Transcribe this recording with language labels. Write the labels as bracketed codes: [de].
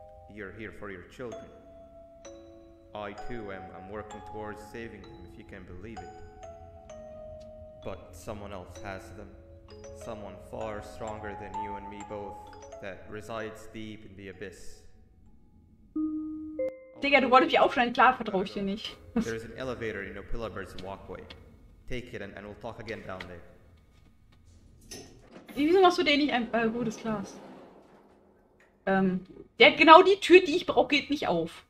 [en] You're here for your children. I too am. I'm working towards saving them, if you can believe it. But someone else has them. Someone far stronger than you and me both. That resides deep in the abyss. [de] Digga, du wolltest mich aufschneiden, klar vertraue ich dir nicht. [en] There is an elevator in Opilabird's walkway. Take it and we'll talk again down there. [de] Wieso machst du dir nicht ein gutes Glas? Der hat genau die Tür, die ich brauche, geht nicht auf.